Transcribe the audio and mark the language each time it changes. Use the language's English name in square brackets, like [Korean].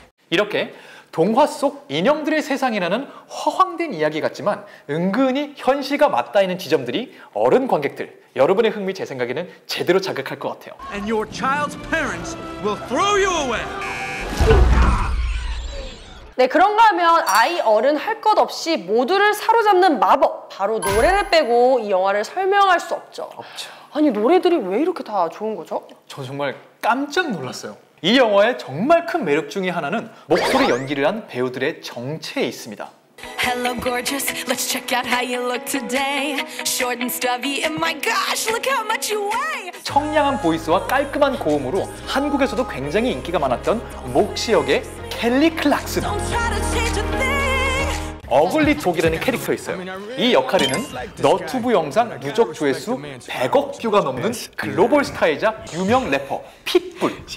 [Korean] 이렇게 동화 속 인형들의 세상이라는 허황된 이야기 같지만 은근히 현실과 맞닿는 지점들이 어른 관객들, 여러분의 흥미 제 생각에는 제대로 자극할 것 같아요. [English] And your child's parents will throw you away. [Korean] 네, 그런가 하면 아이 어른 할 것 없이 모두를 사로잡는 마법, 바로 노래를 빼고 이 영화를 설명할 수 없죠. 없죠. 아니, 노래들이 왜 이렇게 다 좋은 거죠? 저 정말 깜짝 놀랐어요. 이 영화의 정말 큰 매력 중에 하나는 목소리 연기를 한 배우들의 정체에 있습니다. [English] Hello gorgeous. Let's check out how you look today. Short and stubby. And my gosh, look how much you weigh. [Korean] 청량한 보이스와 깔끔한 고음으로 한국에서도 굉장히 인기가 많았던 목시 역의 켈리 클락슨. 어글리 독이라는 캐릭터 있어요. 이 역할에는 너튜브 영상 누적 조회수 100억 뷰가 넘는 글로벌 스타이자 유명 래퍼 핏불.